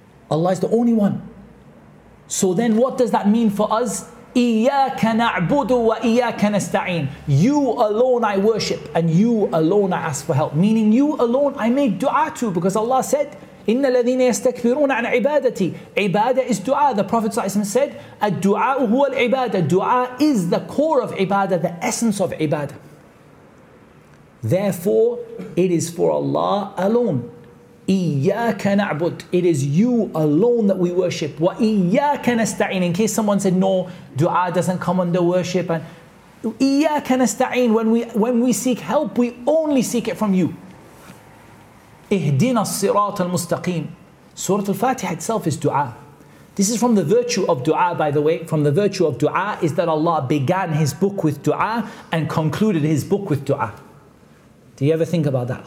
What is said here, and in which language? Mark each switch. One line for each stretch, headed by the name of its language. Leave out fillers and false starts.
English: Allah is the only one. So then what does that mean for us?
Arabic: إِيَّاكَ نَعْبُدُ وَإِيَّاكَ نَسْتَعِينَ.
English: You alone I worship and you alone I ask for help. Meaning you alone I make dua to, because Allah said,
Arabic: إِنَّ الَّذِينَ يَسْتَكْبِرُونَ عَنْ عِبَادَتِي.
English: Ibadah is dua. The Prophet ﷺ said,
Arabic: الدُّعَاءُ هُوَ الْعِبَادَةِ.
English: Dua is the core of ibadah, the essence of ibadah. Therefore, it is for Allah alone.
Arabic: إِيَّاكَ نَعْبُدْ.
English: It is you alone that we worship.
Arabic: وَإِيَّاكَ نَسْتَعِينَ.
English: In case someone said, no, dua doesn't come under worship. And
Arabic: إِيَّاكَ نَسْتَعِينَ.
English: When we seek help, we only seek it from you.
Arabic: اِهْدِنَا الصِّرَاطَ الْمُسْتَقِيمِ.
English: Surah Al-Fatiha itself is dua. This is from the virtue of dua, by the way. From the virtue of dua is that Allah began His book with dua and concluded His book with dua. Do you ever think about that?